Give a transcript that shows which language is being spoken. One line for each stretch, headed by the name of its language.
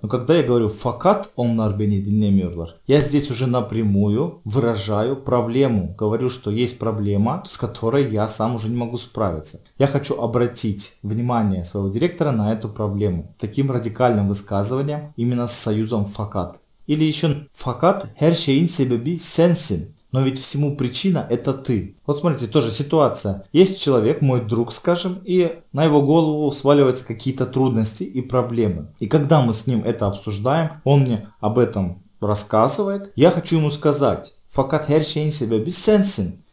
Russian: Но когда я говорю
Turkish: «факат онлар бени динлемиорлар»,
Russian: я здесь уже напрямую выражаю проблему. Говорю, что есть проблема, с которой я сам уже не могу справиться. Я хочу обратить внимание своего директора на эту проблему. Таким радикальным высказыванием именно с союзом «факат». Или еще
Turkish: «факат her şeyin sebebi sensin».
Russian: Но ведь всему причина – это ты. Вот смотрите, тоже ситуация. Есть человек, мой друг, скажем, и на его голову сваливаются какие-то трудности и проблемы. И когда мы с ним это обсуждаем, он мне об этом рассказывает. Я хочу ему сказать
Turkish: «факат her şeyin sebebi sensin».